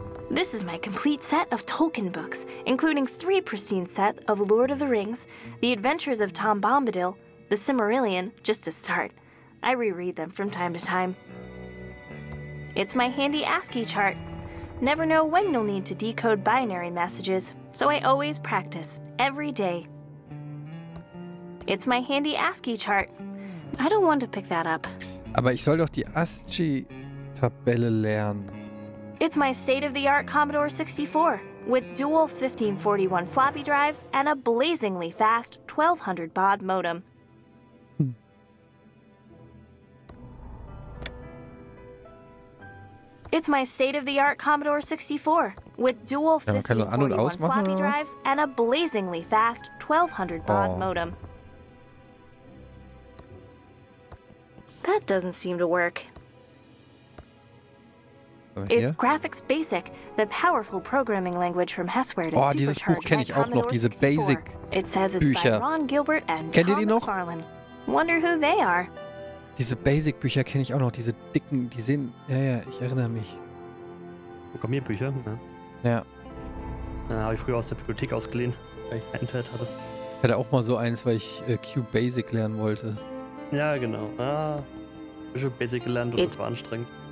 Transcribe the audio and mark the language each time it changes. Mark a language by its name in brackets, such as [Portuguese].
[English] This is my complete set of Tolkien books, including three pristine sets of Lord of the Rings, The Adventures of Tom Bombadil, The Silmarillion, just to start. I reread them from time to time. It's my handy ASCII chart. Never know when you'll need to decode binary messages, so I always practice, every day. It's my handy ASCII chart. I don't want to pick that up. [German] Aber ich soll doch die ASCII-Tabelle lernen. [English] It's my state-of-the-art Commodore 64, with dual 1541 floppy drives and a blazingly fast 1200 baud modem. It's my state-of-the-art Commodore 64 with dual 1541 floppy drives and a blazingly fast 1200 baud modem. That doesn't seem to work. It's Graphics Basic, the powerful programming language from Hessware to supercharge my Commodore 64. It says it's by Ron Gilbert and Tom McFarlane. Wonder who they are. [German] Diese Basic-Bücher kenne ich auch noch, diese dicken, die sehen... Ja, ja, ich erinnere mich. Programmierbücher, ne? Ja. Habe ich früher aus der Bibliothek ausgeliehen, weil ich ein Internet hatte. Ich hatte auch mal so eins, weil ich Q-Basic lernen wollte. Ja, genau. Visual Basic gelernt und das war anstrengend.